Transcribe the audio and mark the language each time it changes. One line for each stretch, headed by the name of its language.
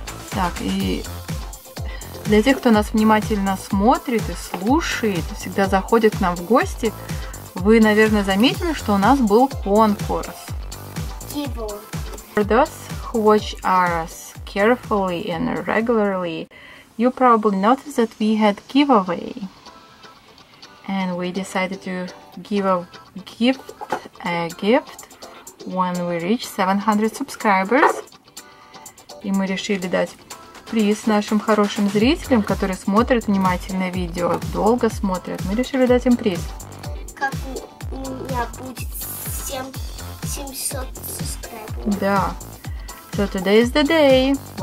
Russian: Так, и для тех, кто нас внимательно смотрит и слушает, всегда заходит к нам в гости. Вы, наверное, заметили, что у нас был конкурс.
English: For those who watch us carefully and regularly, you probably noticed that we had giveaway. And we decided to give a gift when we reach 700 subscribers.
Russian: И мы решили дать приз нашим хорошим зрителям, которые смотрят внимательно видео, долго смотрят. Мы решили дать им приз. Будет
English: 700 subscribers. Да. So today is the day.